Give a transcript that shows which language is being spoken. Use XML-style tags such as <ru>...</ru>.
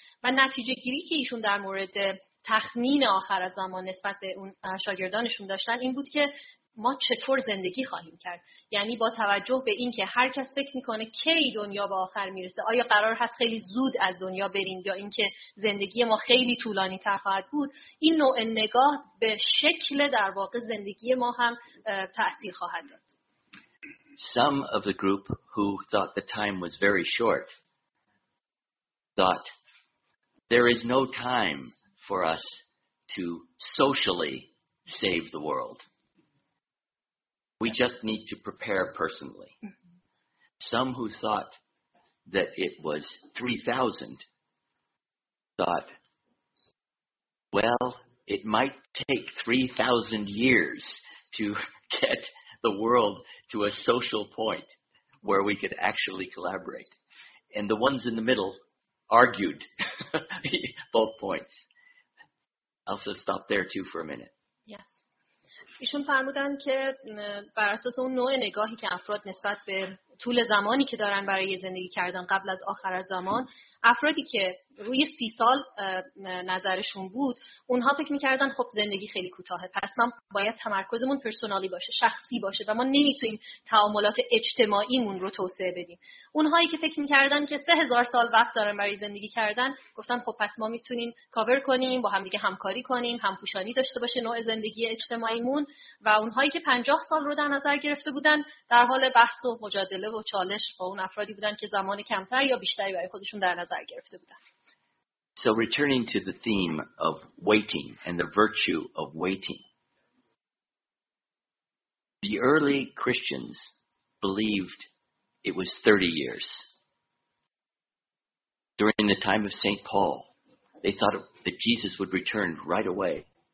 <fa>و نتیجه گیری که ایشون در مورد تخمین آخر زمان نسبت به اون شاگردانشون داشتن این بود که ما چطور زندگی خواهیم کرد؟ یعنی با توجه به این که هر کس فکر میکنه کی دنیا به آخر میرسه، آیا قرار هست خیلی زود از دنیا بریم یا اینکه زندگی ما خیلی طولانی تر خواهد بود، این نوع نگاه به شکل در واقع زندگی ما هم تأثیر خواهد داد.</fa> <en>Some of the group who thought the time was very short thought there is no time for us to socially save the world. We just need to prepare personally. Some who thought that it was 3,000 thought, well, it might take 3,000 years to get the world to a social point where we could actually collaborate. And the ones in the middle argued both points. I'll just stop there too for a minute.</en> <fa>ایشون فرمودن که بر اساس اون نوع نگاهی که افراد نسبت به طول زمانی که دارن برای زندگی کردن قبل از آخر زمان، افرادی که روی 30 سال نظرشون بود، اونها فکر میکردن خب زندگی خیلی کوتاهه، پس ما باید تمرکزمون پرسونالی باشه، شخصی باشه و ما نمیتونیم تعاملات اجتماعیمون رو توسعه بدیم. اونهایی که فکر میکردن که 3000 سال وقت دارن برای زندگی کردن، گفتن خب پس ما میتونیم کاور کنیم، با همدیگه همکاری کنیم، همپوشانی داشته باشه نوع زندگی اجتماعیمون. و اونهایی که 50 سال رو در نظر گرفته بودن، در حال بحث و مجادله و چالش با اون افرادی بودن که زمان کمتر یا بیشتری برای خودشون در نظر گرفته بودن.</fa> <en>So returning to the theme of waiting and the virtue of waiting. The early Christians believed it was 30 years. During the time of St. Paul, they thought that Jesus would return right away.</en>